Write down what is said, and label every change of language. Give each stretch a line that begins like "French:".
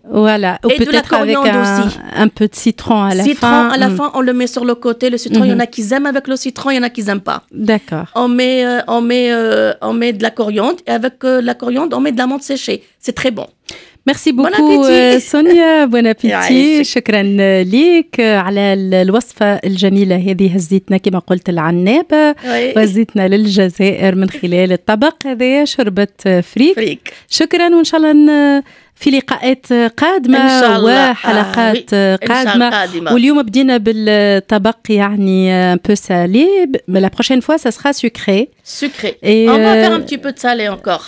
French: Voilà, ou et peut-être de la coriandre avec un peu de citron à la fin. Citron à la fin, on le met sur le côté, le citron, il y en a qui aiment avec le citron, il y en a qui n'aiment pas. D'accord. On met de la coriandre, et avec la coriandre, on met de la menthe séchée, c'est très bon. Merci beaucoup Sonia, bon appétit.
Arabic: شكرا ليك على الوصفة الجميلة هذه. هزيتنا كما قلت العنابة وهزيتنا للجزائر من خلال الطبق هذا شربة فريك. شكرا وإن شاء الله في لقاءات قادمة وحلقات قادمة. واليوم بدينا بالطبق يعني
French: un peu salé, mais la prochaine fois ça sera sucré. Sucré. Et on va faire un petit peu de salé encore.